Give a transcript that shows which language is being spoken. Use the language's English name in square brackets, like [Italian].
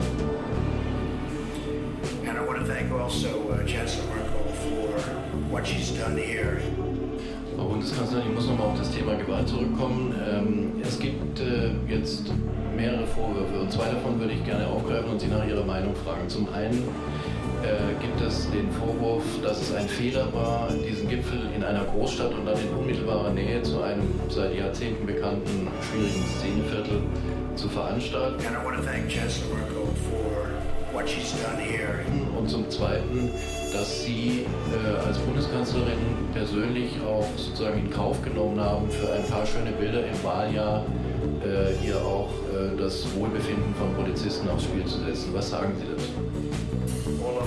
[German] And I want to thank also Chancellor Merkel for what she's done here. Frau Bundeskanzlerin, ich muss nochmal auf das Thema Gewalt zurückkommen. Es gibt jetzt mehrere Vorwürfe und zwei davon würde ich gerne aufgreifen und Sie nach Ihrer Meinung fragen. Zum einen gibt es den Vorwurf, dass es ein Fehler war, diesen Gipfel in einer Großstadt und dann in unmittelbarer Nähe zu einem seit Jahrzehnten bekannten schwierigen Szeneviertel zu veranstalten. [English] And I want to thank Chancellor Merkel for what she's done here. [German] Und zum Zweiten, dass Sie als Bundeskanzlerin persönlich auch sozusagen in Kauf genommen haben, für ein paar schöne Bilder im Wahljahr hier auch das Wohlbefinden von Polizisten aufs Spiel zu setzen. Was sagen Sie dazu?